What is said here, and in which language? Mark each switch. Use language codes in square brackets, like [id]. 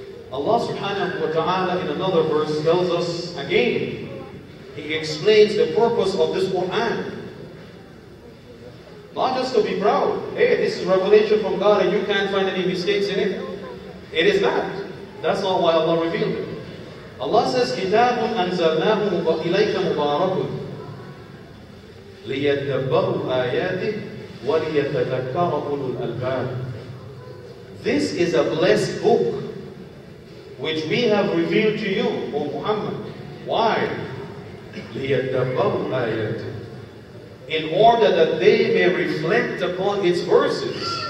[en] Allah subhanahu wa ta'ala in another verse tells us again, he explains the purpose of this Qur'an. Not just to be proud, hey, this is revelation from God and you can't find any mistakes in it. It is that. That's not why Allah revealed it. Allah says, [ar] كِتَابٌ أَنزَلْنَاهُ إِلَيْكَ مُبَارَكٌ لِيَتَّبَّرُوا آيَاتِهِ وَلِيَتَذَكَّرَ أُولُو الْأَلْبَابِ. [en] This is a blessed book which we have revealed to you, O Muhammad. Why? [ar] لِيَتَّبَّرُوا آيَاتِهِ. [en] In order that they may reflect upon its verses.